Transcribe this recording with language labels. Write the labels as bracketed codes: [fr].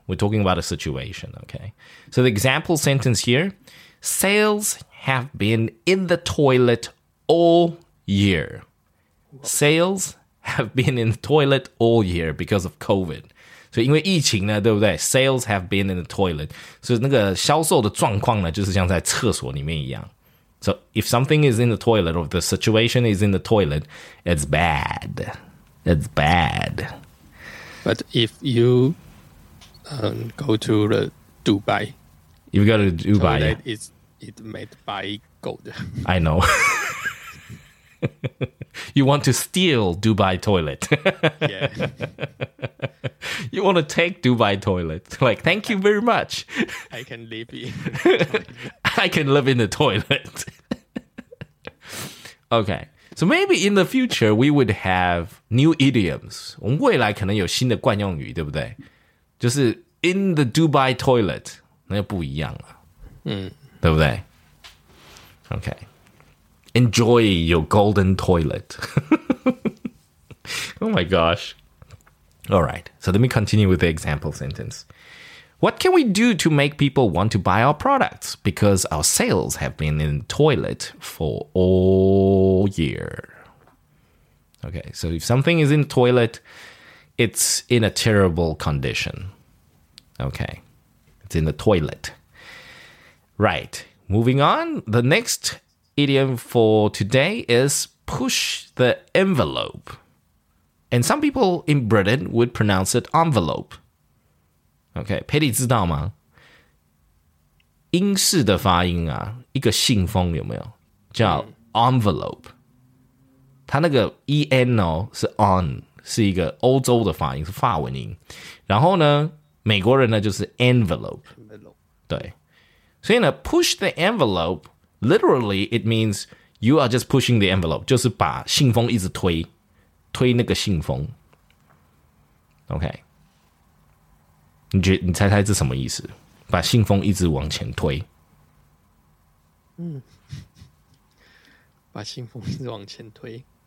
[en] We're talking about a situation, okay? So the example sentence here, sales have been in the toilet all year. Sales have been in the toilet all year because of COVID. So, [zh] 因为疫情呢，对不对 [en] ？Sales have been in the toilet. So, [zh] 那个销售的状况呢，就是像在厕所里面一样。 [en] So, if something is in the toilet or the situation is in the toilet, it's bad. It's bad. But if you go to the Dubai, if you go to Dubai, it's made by gold. I know. You want to steal Dubai toilet. Yeah. You want to take Dubai toilet. Like, thank you very much. I can live in the toilet. I can live in the toilet. Okay. So maybe in the future, we would have new idioms. [zh] 我们未来可能有新的惯用语，对不对？就是 [en] in the Dubai toilet, [zh] 那就不一样了。嗯。对不对？ [en] Okay. Enjoy your golden toilet. Oh my gosh. All right. So let me continue with the example sentence. What can we do to make people want to buy our products? Because our sales have been in the toilet for all year. Okay. So if something is in the toilet, it's in a terrible condition. Okay. It's in the toilet. Right. Moving on. The next... Idiom for today is push the envelope. And some people in Britain would pronounce it envelope. Okay, [zh] 佩蒂知道吗？英式的发音啊，一个信封有没有？叫 envelope. 它那个 en 哦，是 on, 是一个欧洲的发音，是法文音。然后呢，美国人呢就是 envelope. 对。所以呢 [en] push the envelope,Literally, it means you are just pushing the envelope. [zh] 就是把信封一直推，推那个信封。 [en] Okay. [zh] 你猜猜这什么意思？把信封一直往前推。嗯。把信封一直往前推。